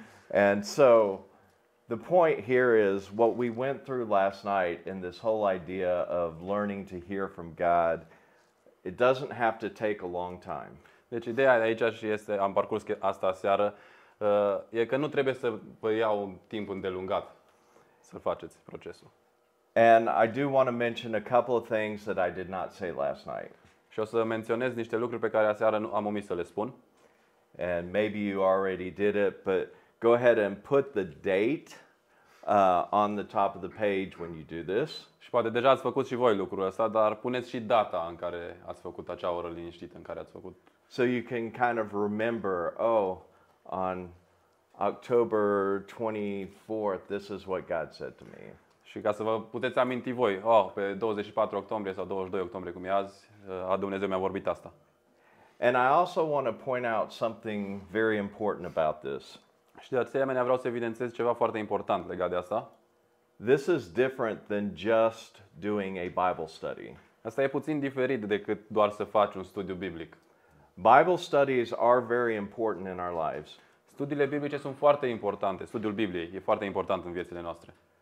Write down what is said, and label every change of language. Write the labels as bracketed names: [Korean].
[English] And so the point here is what we went through last night in this whole idea of learning to hear from God, it doesn't have to take a long time. [Romanian] Deci ideea aici și este, am parcurs asta seară, e că nu trebuie să vă iau un timp îndelungat să faceți procesul. [English] And I do want to mention a couple of things that I did not say last night. [Romanian] Și o să menționez niște lucruri pe care aseară nu am omis să le spun. [English] And maybe you already did it, but go ahead and put the date on the top of the page when you do this. [Romanian] Și poate deja ați făcut și voi lucrul ăsta, dar puneți și data în care ați făcut acea oră liniștită în care ați făcut. [English] So you can kind of remember, oh, on October 24th, this is what God said to me. [Romanian] Și ca să vă puteți aminti voi, oh, pe 24 octombrie sau 22 octombrie, cum e azi, Dumnezeu mi-a vorbit asta. [English] And I also want to point out something very important about this. [Romanian] Și de asemenea vreau să evidențez ceva foarte important legat de asta. [English] This is different than just doing a Bible study. [Romanian] Asta e puțin diferit decât doar să faci un studiu biblic. [English] Bible studies are very important in our lives. [Romanian] Studiile biblice sunt foarte importante. Studiul Bibliei e foarte important în viețile noastre.